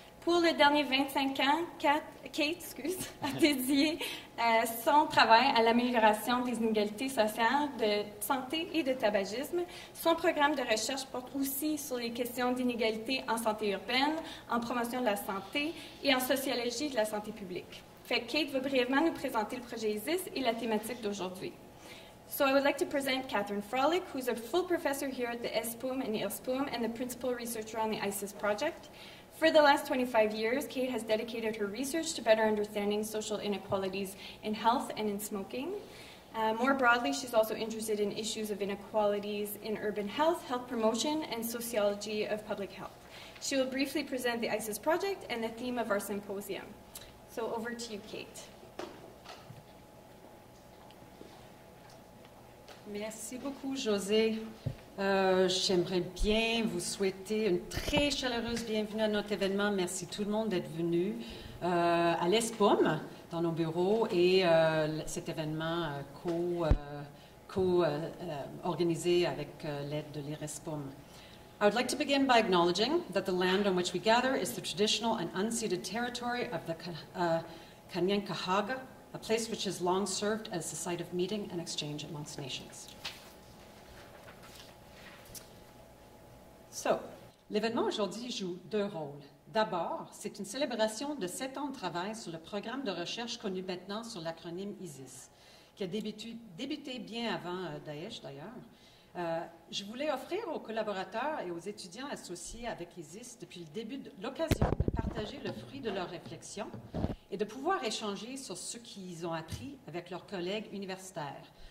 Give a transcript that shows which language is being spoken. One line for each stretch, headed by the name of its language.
French: Pour les derniers 25 ans, Kate a dédié son travail à l'amélioration des inégalités sociales, de santé et de tabagisme. Son programme de recherche porte aussi sur les questions d'inégalité en santé urbaine, en promotion de la santé et en sociologie de la santé publique. Fait Kate va brièvement nous présenter le projet ISIS et la thématique d'aujourd'hui.
English: So I would like to present Catherine Froelich, who is a full professor here at the ESPUM and the ERSPUM and the principal researcher on the ISIS project. For the last 25 years, Kate has dedicated her research to better understanding social inequalities in health and in smoking. More broadly, she's also interested in issues of inequalities in urban health, health promotion, and sociology of public health. She will briefly present the ISIS project and the theme of our symposium. So over to you, Kate.
French: Merci beaucoup, José. J'aimerais bien vous souhaiter une très chaleureuse bienvenue à notre événement. Merci tout le monde d'être venu à l'ESPUM, dans nos bureaux, et cet événement co-organisé avec l'aide de l'IRESPUM.
English: I would like to begin by acknowledging that the land on which we gather is the traditional and unceded territory of the Kanyenkehaga, a place which has long served as the site of meeting and exchange amongst nations.
French: So, l'événement aujourd'hui joue deux rôles. D'abord, c'est une célébration de 7 ans de travail sur le programme de recherche connu maintenant sous l'acronyme ISIS, qui a débuté bien avant Daesh d'ailleurs. Je voulais offrir aux collaborateurs et aux étudiants associés avec ISIS depuis le début l'occasion de partager le fruit de leurs réflexions et de pouvoir échanger sur ce qu'ils ont appris avec leurs collègues universitaires.